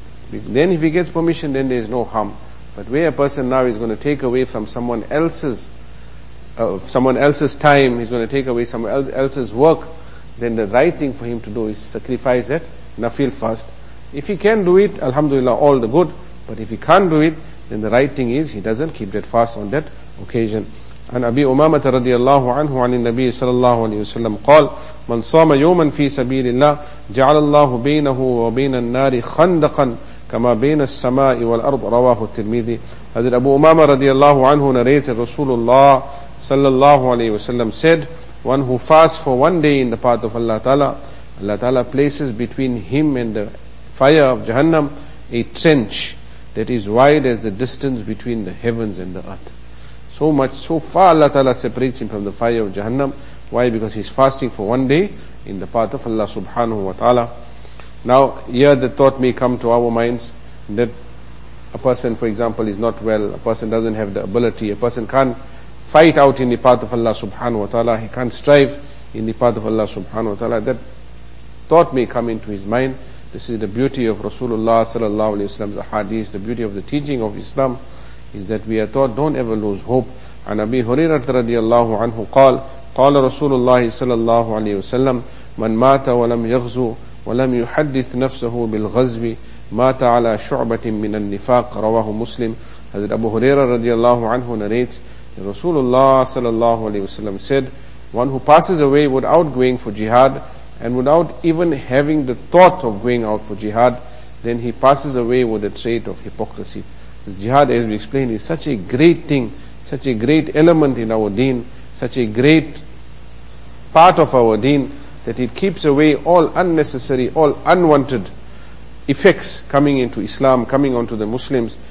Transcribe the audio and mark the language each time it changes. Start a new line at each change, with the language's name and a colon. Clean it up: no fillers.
English: Then if he gets permission, then there is no harm. But where a person now is going to take away from someone else's time, he's going to take away someone else's work, then the right thing for him to do is sacrifice that Nafil fast. If he can do it, alhamdulillah, all the good. But if he can't do it, then the right thing is he doesn't keep that fast on that occasion.
Arabic: عن أبي أمامة رضي الله عنه عن النبي صلى الله عليه وسلم قال من صام يوما في سبيل الله جعل الله بينه وبين النار خندقا كما بين السماء والأرض رواه الترمذي.
English: حضرت أبو أمامة
Arabic: رضي الله عنه
English: narrated رسول الله
Arabic: صلى الله عليه وسلم
English: said one who fasts for one day in the path of Allah Ta'ala, Allah Ta'ala places between him and the fire of Jahannam a trench that is wide as the distance between the heavens and the earth. So much, so far Allah Ta'ala separates him from the fire of Jahannam. Why? Because he's fasting for one day in the path of Allah subhanahu wa ta'ala. Now, here the thought may come to our minds that a person, for example, is not well, a person doesn't have the ability, a person can't fight out in the path of Allah subhanahu wa ta'ala, he can't strive in the path of Allah subhanahu wa ta'ala. That thought may come into his mind. This is the beauty of Rasulullah sallallahu alayhi wa sallam's hadith, the beauty of the teaching of Islam, is that we are taught, don't ever lose hope.
Arabic: عن أبي هريرة رضي الله عنه قال قال رسول الله صلى الله عليه وسلم من مات ولم يغزو ولم يحدث نفسه بالغزو مات على شعبة من النفاق رواه مسلم.
English: حضرت أبو هريرة
Arabic: رضي الله عنه
English: narrates رسول الله
Arabic: صلى الله عليه وسلم
English: said one who passes away without going for jihad and without even having the thought of going out for jihad, then he passes away with a trait of hypocrisy. Jihad, as we explained, is such a great thing, such a great element in our deen, such a great part of our deen, that it keeps away all unnecessary, all unwanted effects coming into Islam, coming onto the Muslims.